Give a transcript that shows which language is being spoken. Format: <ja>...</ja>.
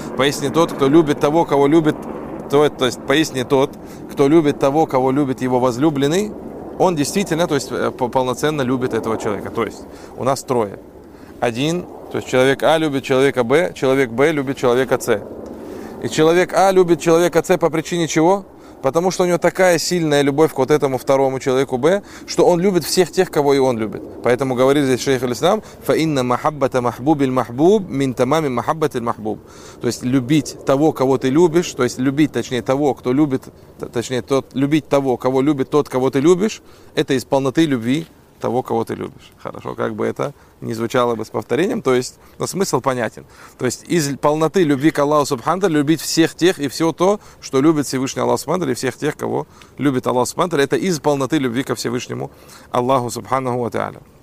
<ru>Поистине тот, кто любит того, кого любит, то есть поистине тот, кто любит того, кого любит его возлюбленный, он действительно, то есть полноценно любит этого человека. То есть у нас трое. Один, то есть человек А любит человека Б, человек Б любит человека С. И человек А любит человека С по причине чего? Потому что у него такая сильная любовь к вот этому второму человеку Б, что он любит всех тех, кого и он любит. Поэтому говорит здесь шейх аль-Ислам,</ru> <ar>فَإِنَّ مَحَبَّةَ مَحْبُوبِ الْمَحْبُوبِ مِنْ تَمَامِ مَحَبَّةِ الْمَحْبُوبِ.</ar> <ru>То есть любить того, кого ты любишь, то есть любить, точнее, того, кто любит, точнее, тот, любить того, кого любит тот, кого ты любишь, это из полноты любви того, кого ты любишь. Хорошо, как бы это ни звучало бы с повторением, то есть, но смысл понятен. То есть, из полноты любви к Аллаху Субханта, любить всех тех и все то, что любит Всевышний Аллах Субханта, и всех тех, кого любит Аллах Субханта, это из полноты любви ко Всевышнему Аллаху Субханаху ва Тааля.</ru>